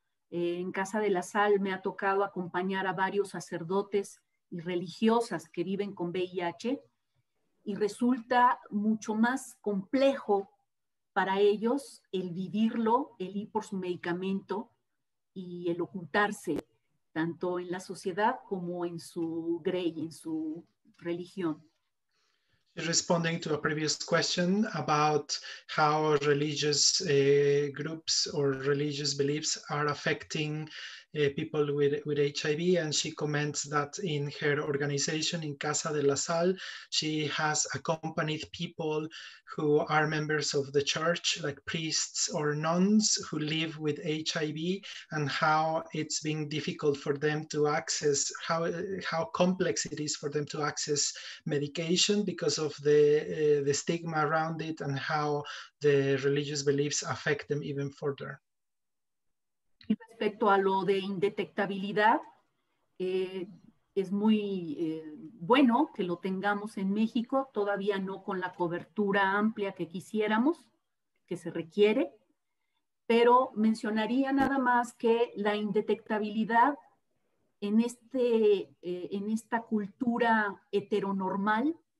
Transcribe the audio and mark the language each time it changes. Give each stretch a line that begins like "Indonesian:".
Spanish: En Casa de la Sal me ha tocado acompañar a varios sacerdotes y religiosas que viven con VIH y resulta mucho más complejo para ellos el vivirlo, el ir por su medicamento y el ocultarse tanto en la sociedad como en su grey, en su religión.
English: Responding to a previous question about how religious groups or religious beliefs are affecting people with HIV, and she comments that in her organization in Casa de la Sal, she has accompanied people who are members of the church, like priests or nuns who live with HIV, and how it's been difficult for them to access, how complex it is for them to access medication because of the stigma around it, and how the religious beliefs affect them even further.
Spanish: Respecto a lo de indetectabilidad, es muy bueno que lo tengamos en México, todavía no con la cobertura amplia que quisiéramos, que se requiere, pero mencionaría nada más que la indetectabilidad en, en esta cultura heteronormal,